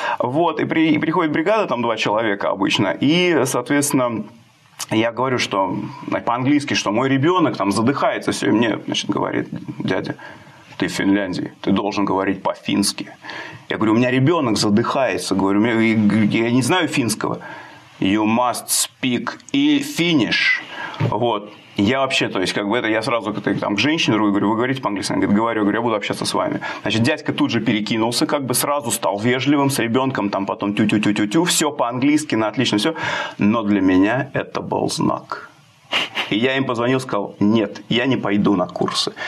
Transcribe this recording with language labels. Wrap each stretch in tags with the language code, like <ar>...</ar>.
<ru>Вот, и приходит бригада, там два человека обычно, и, соответственно, я говорю, что по-английски, что мой ребенок там задыхается, все, и мне, значит, говорит дядя, ты в Финляндии, ты должен говорить по-фински. Я говорю, у меня ребенок задыхается, говорю, я не знаю финского.</ru> <en>You must speak и Finnish.</en> <ru>Вот. Я вообще, то есть, как бы это, я сразу там, к женщине другой говорю, вы говорите по-английски? Она говорит, говорю, я буду общаться с вами. Значит, дядька тут же перекинулся, как бы сразу стал вежливым с ребенком, там потом тю-тю-тю-тю-тю, все по-английски, на отлично, все. Но для меня это был знак. И я им позвонил, сказал, нет, я не пойду на курсы.</ru>